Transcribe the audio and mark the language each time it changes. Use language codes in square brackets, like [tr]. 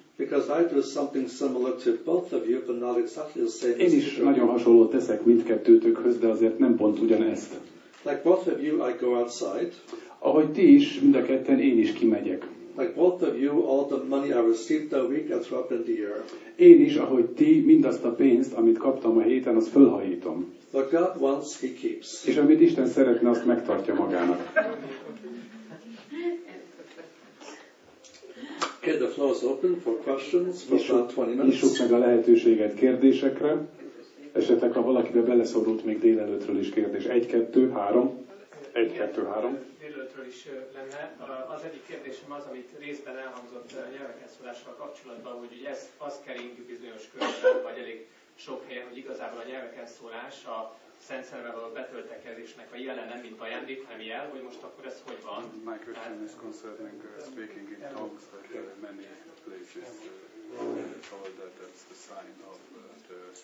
[en] Because I do something similar to both of you, but not exactly the same. [hu] Én is nagyon hasonlót teszek mindkettőtökhöz, de azért nem pont ugyanezt. [en] Like both of you, I go outside. [hu] Ahogy ti is, mind a ketten én is kimegyek. [en] Like both of you, all the money I received that week, I throw up in the air. [hu] Én is, ahogy ti, mindazt a pénzt, amit kaptam a héten, azt fölhajítom. [en] What God wants, he keeps. [hu] És amit Isten szeretne, azt megtartja magának. [en] Okay, the floor is open for questions for about 20 minutes. [hu] Nyissuk meg a lehetőséget kérdésekre. Esetleg, ha valakibe beleszorult még délelőtről is kérdés. 1-2-3. 1-2-3. Is lenne. Az egyik kérdésem az, amit részben elhangzott gyermekek szólással kapcsolatban, hogy ugye ez az kering bizonyos körben, vagy elég sok helyen, hogy igazából a gyermekek szólás a Szent Szellemmel való betöltekezésnek a jele, nem mint ajándék, hanem jel, hogy most akkor ez hogy van? [en] My question is concerning speaking in tongues, that many places call that that's the sign of the